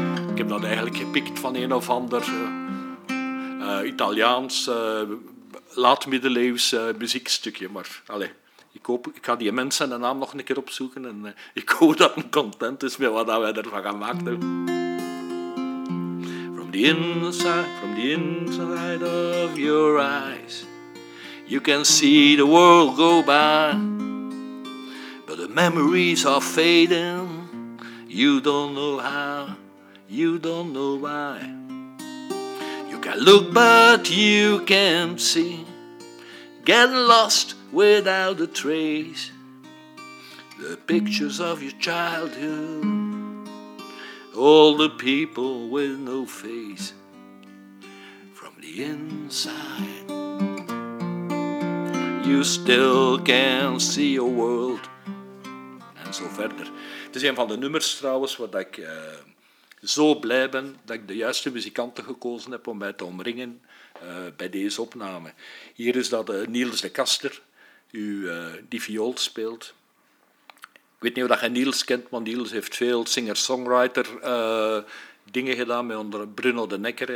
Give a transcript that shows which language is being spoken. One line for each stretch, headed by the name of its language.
Dutch: Ik heb dat eigenlijk gepikt van een of ander Italiaans, laat-middeleeuws muziekstukje, maar allez. Ik ga die mensen de naam nog een keer opzoeken en ik hoop dat hij content is met wat wij ervan gaan maken.
English: From the inside of your eyes, you can see the world go by. But the memories are fading, you don't know how, you don't know why. You can look but you can't see, get lost without a trace. The pictures of your childhood, all the people with no face. From the inside, you still can see your world.
Dutch: En zo verder. Het is een van de nummers trouwens waar ik zo blij ben dat ik de juiste muzikanten gekozen heb om mij te omringen bij deze opname. Hier is dat Niels de Kaster. Die viool speelt. Ik weet niet of je Niels kent, maar Niels heeft veel singer-songwriter dingen gedaan met onder Bruno de Nekkere.